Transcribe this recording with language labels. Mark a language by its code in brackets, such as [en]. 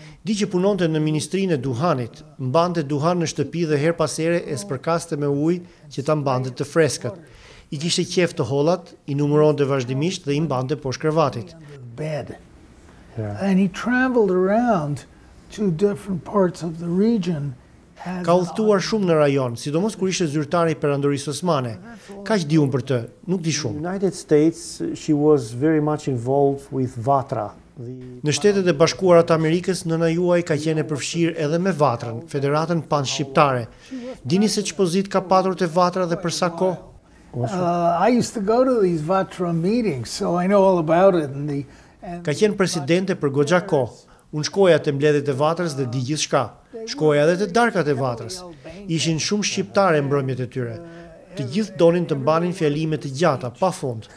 [sq] Di që punonte në Ministrinë e Duhanit, mbante duhan në shtëpi dhe her pas here e spërkaste me ujë që ta mbante të freskët. I kishte qef të hollat, i numëronte vazhdimisht dhe i mbante poshtë krevatit. [en] Yeah. And he traveled around to different parts of the region. [sq] Ka udhëtuar shumë në rajon, sidomos kur ishte zyrtari i Perandorisë Osmane. Kaq di un për të, nuk di shumë. [en] United States, she was very much involved with Vatra. [sq] Në Shtetet e Bashkuara të Amerikës, nëna juaj ka qenë e përfshirë edhe me Vatrën, Federatën Panshqiptare. Dini se që pozitë ka patur të Vatra dhe për sa kohë? [en] I used to go to these Vatra meetings, so I know all about it. [sq] Ka qenë presidente për goxha kohë. Unë shkoja të mbledhjet e Vatrës dhe di gjithçka. Shkoja edhe të darkat e Vatrës. Ishin shumë shqiptare mbrëmjet e tyre. Të gjithë donin të mbanin fjalime të gjata, pa fund.